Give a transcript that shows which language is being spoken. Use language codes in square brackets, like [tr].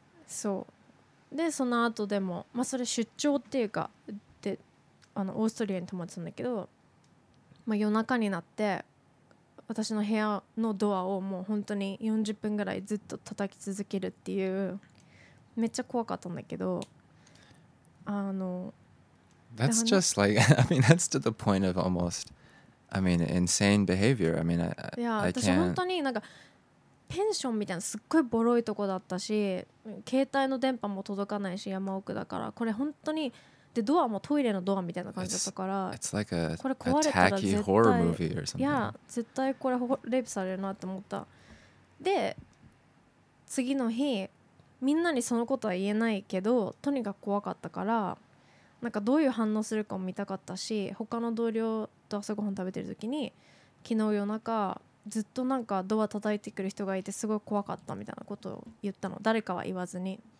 [ja] そうで、その後でも、まあ、それ出張っていうかであのオーストリアに泊まってたんだけど、まあ、夜中になって私の部屋のドアをもう本当に40分ぐらいずっと叩き続けるっていう、めっちゃ怖かったんだけど、あの [en] That's just like, I mean, that's to the point of almost, I mean, insane behavior. I mean, I can't. [ja] 私本当になんかペンションみたいなすっごいボロいとこだったし、携帯の電波も届かないし、山奥だから、これ本当に、でドアもトイレのドアみたいな感じだったから、 [en] It's like a, [ja] これ壊れたら絶対、 [en] tacky horror movie or something. [ja] いや、絶対これレイプされるなって思った。で、次の日、みんなにそのことは言えないけど、とにかく怖かったから、なんかどういう反応するかも見たかったし、他の同僚と朝ごはん食べてる時に、昨日夜中ずっとなんかドア叩いてくる人がいてすごい怖かったみたいなことを言ったの、誰かは言わずに。